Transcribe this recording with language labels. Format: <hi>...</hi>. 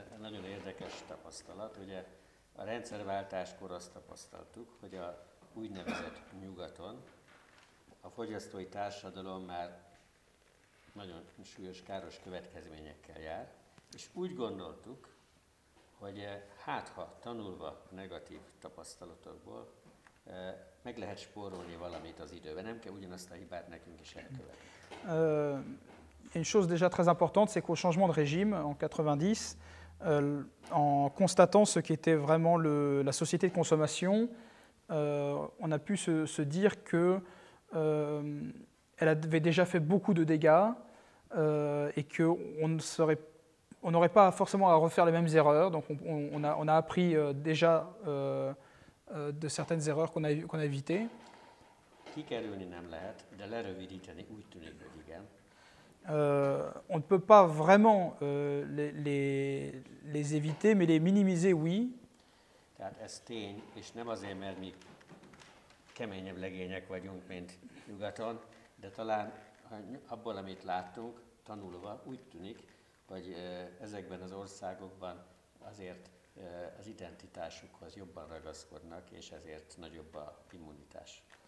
<hu>Nagyon érdekes tapasztalat, ugye a rendszerváltáskor azt tapasztaltuk, hogy a úgynevezett nyugaton a fogyasztói társadalom már nagyon súlyos, káros következményekkel jár, és úgy gondoltuk, hogy hát ha tanulva negatív tapasztalatokból, meg lehet spórolni valamit az időben, nem kell ugyanazt a hibát nekünk is elkövetni.</hu> <fr>Une chose déjà très importante, c'est qu'au changement de régime en 90, en constatant ce qui était vraiment la société de consommation, on a pu se dire qu'elle avait déjà fait beaucoup de dégâts et qu'on n'aurait pas forcément à refaire les mêmes erreurs. Donc on a appris déjà de certaines erreurs qu'on a évitées.</fr> <hu>Kikerülni nem lehet, de lerövidíteni úgy tűnik, hogy igen.</hu> <fr>On ne peut pas vraiment les éviter, mais les minimiser, oui.</fr> <hu>Tehát ez tény, és nem azért, mert mi keményebb legények vagyunk, mint nyugaton, de talán abból, amit láttunk, tanulva úgy tűnik, hogy ezekben az országokban azért az identitásukhoz jobban ragaszkodnak, és ezért nagyobb a immunitás.</hu>